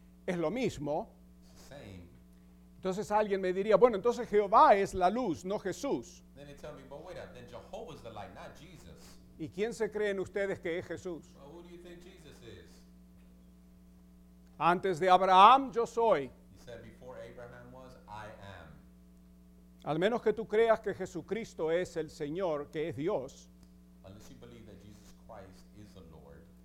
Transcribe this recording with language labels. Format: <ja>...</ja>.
<es>Es lo mismo.</es> <en>It's the same.</en> <es>Entonces alguien me diría, bueno, entonces Jehová es la luz, no Jesús.</es> <en>Then they tell me, but wait up, then Jehovah is the light, not Jesus.</en> <es>¿Y quién se creen ustedes que es Jesús?</es> <en>Well, who do you think Jesus is?</en> <es>Antes de Abraham, yo soy.</es> <en>He said, before Abraham was, I am.</en> <es>Al menos que tú creas que Jesucristo es el Señor, que es Dios.</es> <en>Unless you believe that Jesus Christ is the Lord.</en>